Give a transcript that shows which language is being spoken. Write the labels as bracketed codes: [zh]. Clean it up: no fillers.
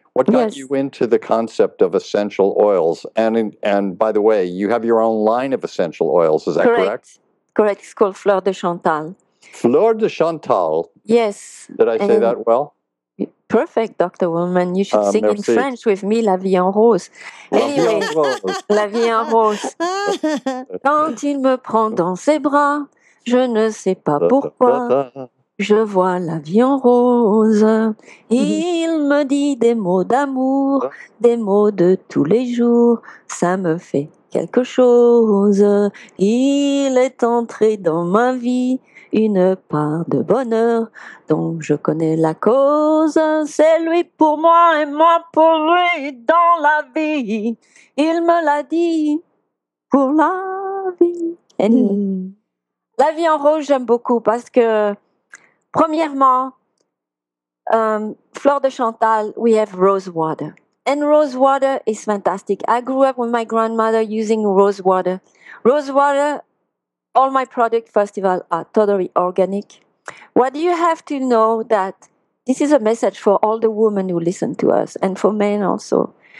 [en] What got you into the concept of essential oils? And by the way, you have your own line of essential oils. Is that correct? Correct. It's called Fleur de Chantal. Fleur de Chantal. Yes. Did I say that well? Perfect, Dr. Woolman. You should sing in French with me, La Vie en Rose. Anyway, La Vie en Rose. [fr] Quand il me prend dans ses bras, je ne sais pas pourquoi, je vois la vie en rose. Il me dit des mots d'amour, des mots de tous les jours, ça me fait quelque chose. Il est entré dans ma vie, une part de bonheur dont je connais la cause. C'est lui pour moi et moi pour lui dans la vie. Il me l'a dit pour la vie. La vie en rose, j'aime beaucoup parce que, premièrement, Fleur de Chantal, [en] we have rose water. And rose water is fantastic. I grew up with my grandmother using rose water. Rose water, all my products, first of all, are totally organic. What you have to know that this is a message for all the women who listen to us and for men also.